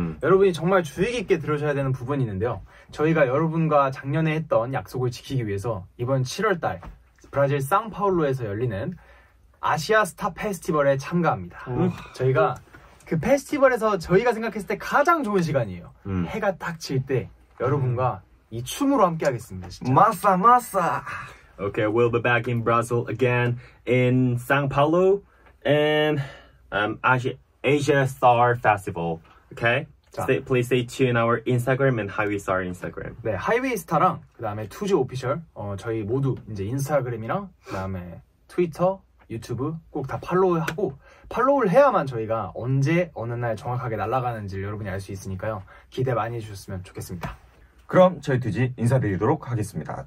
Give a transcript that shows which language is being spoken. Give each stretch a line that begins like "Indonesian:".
Korean: 여러분이 정말 주의 깊게 들으셔야 되는 부분이 있는데요. 저희가 여러분과 작년에 했던 약속을 지키기 위해서 이번 7월달 브라질 상파울로에서 열리는 아시아 스타 페스티벌에 참가합니다. 저희가 그 페스티벌에서 저희가 생각했을 때 가장 좋은 시간이에요. 해가 딱 질 때 여러분과 이 춤으로 함께 하겠습니다. 진짜. 마사 마사!
English: Okay, we'll be back in Brazil again in São Paulo and Asia Star Festival. Okay, please stay tuned our Instagram and Highway Star Instagram.
Korean: 네, Highway Star랑 그다음에 2G Official 저희 모두 이제 인스타그램이랑 그다음에 트위터, 유튜브 꼭 다 팔로우하고 팔로우를 해야만 저희가 언제 어느 날 정확하게 날아가는지 여러분이 알 수 있으니까요. 기대 많이 해주셨으면 좋겠습니다. 그럼 저희 두지 인사드리도록 하겠습니다.